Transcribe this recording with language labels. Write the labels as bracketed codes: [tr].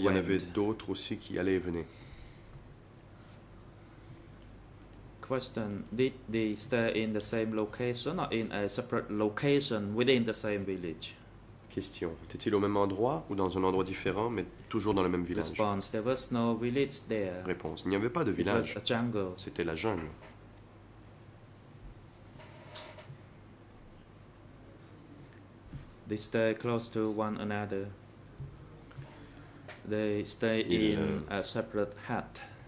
[fr] Il y en avait d'autres aussi qui allaient et venaient. [en] Question: Did they stay in the same location or in a separate location within the same village? [fr] Question. Était-il au même endroit ou dans un endroit différent, mais toujours dans le même village? [en] Response. There was no village there. [fr] Réponse. Il n'y avait pas de village. [en] It was a jungle. [fr] C'était la jungle. [en] They stayed close to one another. They stay in a separate hut.